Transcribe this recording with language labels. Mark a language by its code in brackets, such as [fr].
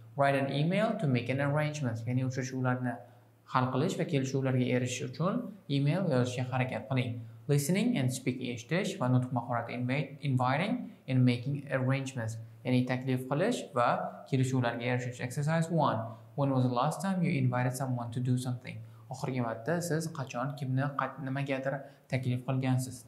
[en] Write an email to make an arrangement. [uz] Ya'ni uchrashuvlarni hal qilish va kelishuvlarga erishish uchun email yozishga harakat qiling. [en] Listening and speaking [uz] eshitish va nutq mahorati [en] inviting and making arrangements. [uz] Ya'ni taklif qilish va kelishuvlarga erishish. [en] Exercise 1. When was the last time you invited someone to do something? [uz] Oxirgi marta siz qachon kimni nimagadir taklif qilgansiz?